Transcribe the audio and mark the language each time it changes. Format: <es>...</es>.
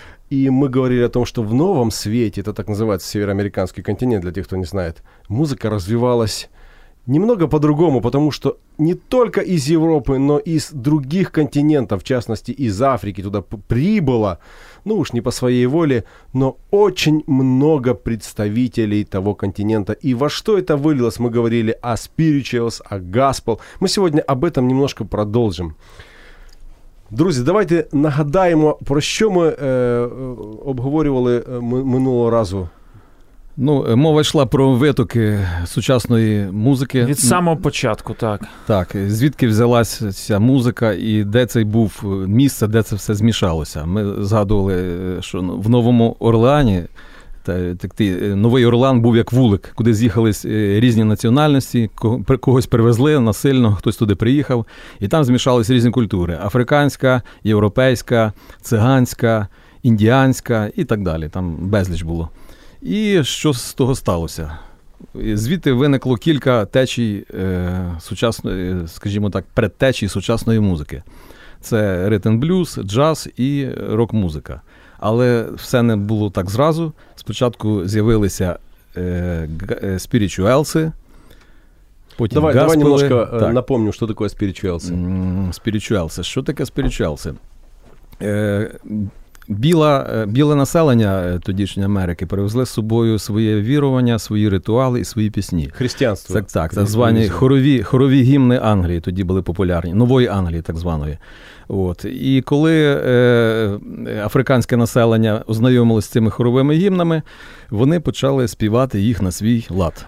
<ru>И мы говорили о том, что в новом свете, это так называется североамериканский континент, для тех, кто не знает, музыка развивалась немного по-другому, потому что не только из Европы, но и из других континентов, в частности, из Африки туда прибыло, ну уж не по своей воле, но очень много представителей того континента. И во что это вылилось, мы говорили о spirituals, о gospel. Мы сегодня об этом немножко продолжим. Друзья, давайте нагадаем, про что мы обговорювали</ru> <uk>минулого разу. Ну, мова йшла про витоки сучасної музики. Від самого початку, так. Так, звідки взялась ця музика і де це був місце, де це все змішалося. Ми згадували, що в Новому Орлеані, Новий Орлеан був як вулик, куди з'їхались різні національності, когось привезли насильно, хтось туди приїхав, і там змішались різні культури. Африканська, європейська, циганська, індіанська і так далі. Там безліч було. І що з того сталося? Звідти виникло кілька течій сучасної, скажімо так, предтечій сучасної музики. Це ритм-блюз, джаз і рок-музика. Але все не було так зразу. Спочатку з'явилися спірічуелси. Потім давай, Gospel. Давай</uk> <ru>немножко напомню,</ru> <uk>що таке спірічуелси. Спірічуелси. Що таке спірічуелси? Біле населення тодішньої Америки привезли з собою своє вірування, свої ритуали і свої пісні. Християнство. Так звані хорові гімни Англії тоді були популярні, Нової Англії так званої. От. І коли африканське населення ознайомилось з цими хоровими гімнами, вони почали співати їх на свій лад.</uk>